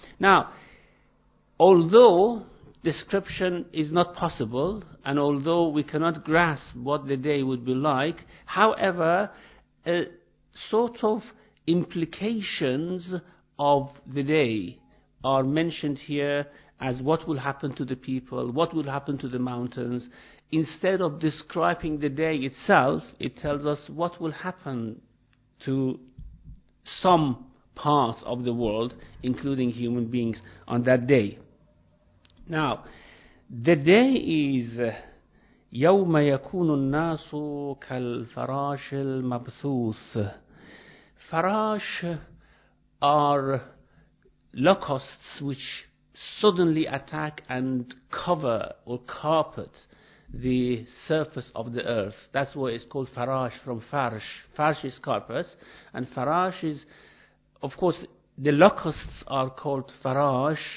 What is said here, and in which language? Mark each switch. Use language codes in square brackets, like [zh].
[en] Now, although description is not possible, and although we cannot grasp what the day would be like, however, a sort of implications of the day are mentioned here as what will happen to the people, what will happen to the mountains. Instead of describing the day itself, it tells us what will happen to some part of the world, including human beings, on that day. Now, the day is [ar] يَوْمَ يَكُونُ النَّاسُ كَالْفَرَاشِ الْمَبْثُوثِ. [en] Farash are locusts which suddenly attack and cover or carpet the surface of the earth. That's why it's called farash, from farsh. Farsh is carpet, and farash is, of course, the locusts are called farash.